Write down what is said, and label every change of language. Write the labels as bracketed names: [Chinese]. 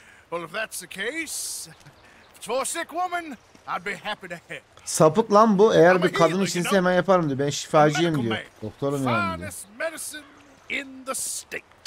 [English] Well, if that's the case, for a sick woman, I'd be happy to help. [Turkish] Sapık lan bu. Eğer bir kadın içinse hemen yaparım diyor. Ben şifacıyım diyor. Doktorum yani diyor. [English] Finest medicine in the state.